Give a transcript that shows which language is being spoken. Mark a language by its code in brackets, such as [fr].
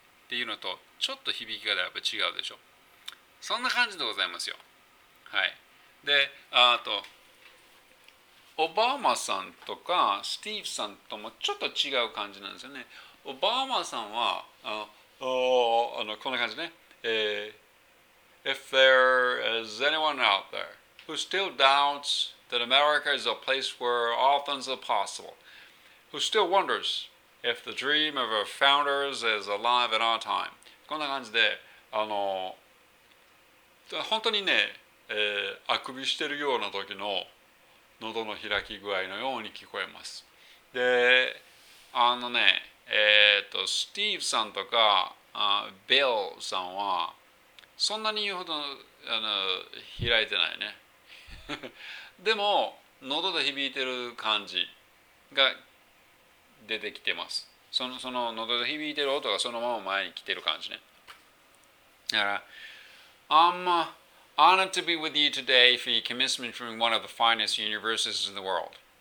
[ja] っていうのと、ちょっと響きがやっぱ違うでしょ。そんな感じでございますよ。はい。で、あと、オバマさんとか、スティーブさんともちょっと違う感じなんですよね。オバマさんは、こんな感じね。 [en] If there is anyone out there who still doubts,that America is a place where all things are possible, who still wonders if the dream of our founders is alive in our time. [ja] こんな感じで、あの、本当にね、あくびしてるような時の喉の開き具合のように聞こえます。で、あのね、スティーブさんとか、ビルさんは、そんなに言うほど、あの、開いてないね。でも喉で響いてる感じが出てきてます。その喉で響いてる音がそのまま前に来てる感じね。だから [en] I'm honored to be with you today for your commencement from one of the finest universities in the world.